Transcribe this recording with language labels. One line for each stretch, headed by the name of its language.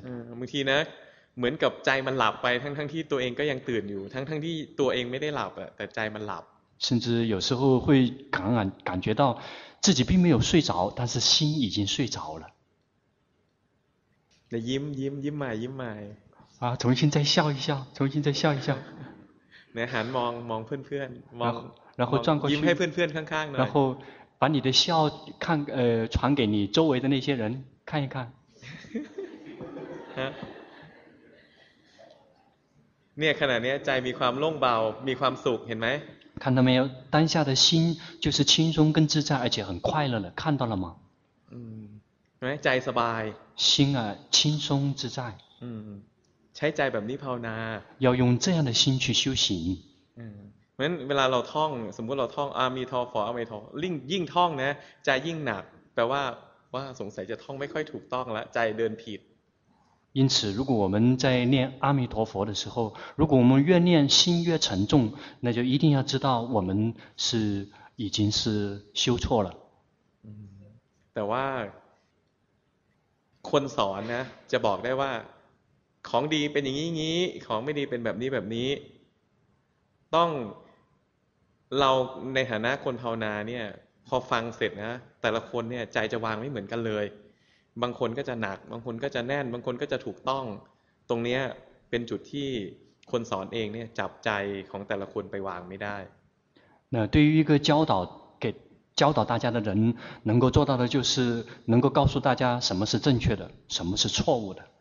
Chinese: 有时候
Thai: เหมือนกับใจมันหลับไปทั้งที่ตัวเองก็ยังตื่นอยู่ทั้งที่ตัวเองไม่ได้หลับแต่ใจมันหลับ
Chinese: 甚至有时候会感觉到自己并没有睡着但是心已经睡着了
Thai: ยิ้มยิ้มยิ้มใหม่ยิ้มใหม่
Chinese: 重新再笑一笑重新再笑一笑那还望望朋友，望，然后转过去，望，望，望，望，然后把你的笑看，传给你周围的那些人看一看。
Thai: เนี่ยขณะนี้ใจมีความโล่งเบามีความสุขเห็นไหม
Chinese: 看到没有当下的心就是轻松跟自在而且很快乐了看到了吗嗯
Thai: ใจสบาย
Chinese: 心啊轻松自在
Thai: ใช้ใจแบบนี้ภาวนา
Chinese: 要用这样的心去修行
Thai: เหมือนเวลาเราท่องสมมติเราท่องอามีทอฟออามีทอลิ่งยิ่งท่องนะใจยิ่งหนักแปลว่าสงสัยจะท่องไม่ค่อยถูกต้องแล้วใจเดินผิด
Chinese: 因此如果我们在念阿弥陀佛的时候如果我们越念心越沉重那就一定要知道我们是已经是修错了
Thai: แต่ว่าคนสอนนะจะบอกได้ว่าของดีเป็นอย่างนี้ของไม่ดีเป็นแบบนี้แบบนี้ต้องเราในฐานะคนภาวนาเนี่ยพอฟังเสร็จนะแต่ละคนเนี่ยใจจะวางไม่เหมือนกันเลยบางคนก็จะหนักบางคนก็จะแน่นบางคนก็จะถูกต้องตรงนี้เป็นจุดที่คนสอนเองเนี่ยจับใจของแต่ละคนไปวางไม่ได้
Chinese: 那对于一个教导给教导大家的人能够做到的就是能够告诉大家什么是正确的什么是错误的